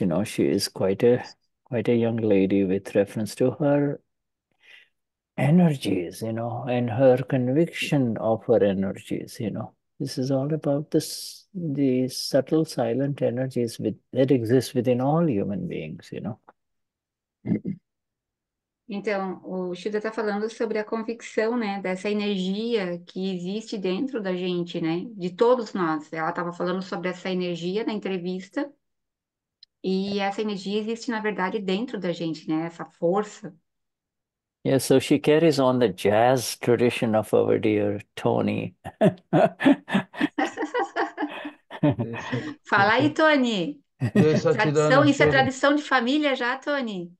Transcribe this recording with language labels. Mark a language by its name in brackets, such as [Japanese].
[English] You know, she is quite a young lady with reference to her energies, you know, and her conviction of her energies. You know, this is all about the subtle, silent energies that exist within all human beings, you know. [Portuguese] Então, o Shuda está falando sobre a convicção, né, dessa energia que existe dentro da gente, né, de todos nós. Ela estava falando sobre essa energia na entrevista, e essa energia existe, na verdade, dentro da gente, né, essa força. [English] Yeah, so she carries on the jazz tradition of our dear Tony. [Portuguese] Fala aí, Tony. Tradição, isso é tradição de família já, Tony?